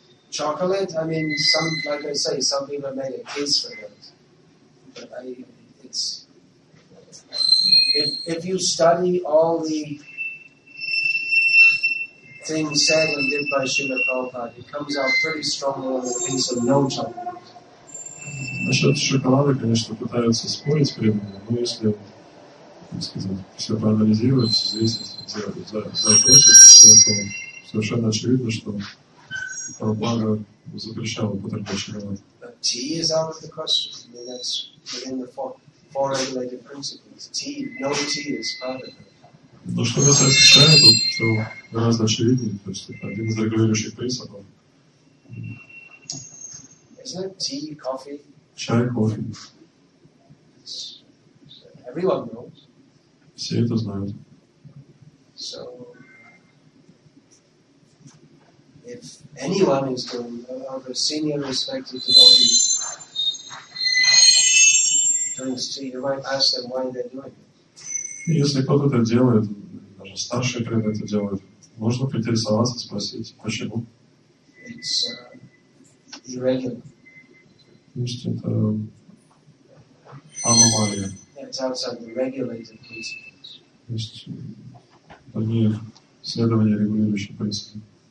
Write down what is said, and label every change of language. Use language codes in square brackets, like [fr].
[en] Chocolate, I mean, some, like I say, some people made a case for that. But if you study all the things said and did by Srila Prabhupada, it comes out pretty strongly on the case of no chocolate. [ru] Насчет шоколада, конечно, пытаются спорить с преданными, но если, так сказать, все проанализировать, все то совершенно очевидно, что Прабхупада запрещал употреблять шоколад. [en] But tea is out of the question. I mean, that's within the four regulated principles. Tea, no tea is part of it. [ru] Но что касается чая, то все гораздо очевиднее. То есть это один из регулирующих принципов. [en] Isn't it tea, coffee? [ru] Чай, кофе. [en] Everyone knows. [ru] Все это знают. [en] So, if anyone is going of a senior respected devotee drinks tea, you might ask them why they're doing it. [ru] Если кто-то это делает, даже старшие при этом это делают, можно поинтересоваться, спросить, почему. [en] It's irregular. [ru] То есть это аномалия. [en] It's outside the regulated principles. [ru] То есть это не следование регулирующим принципам.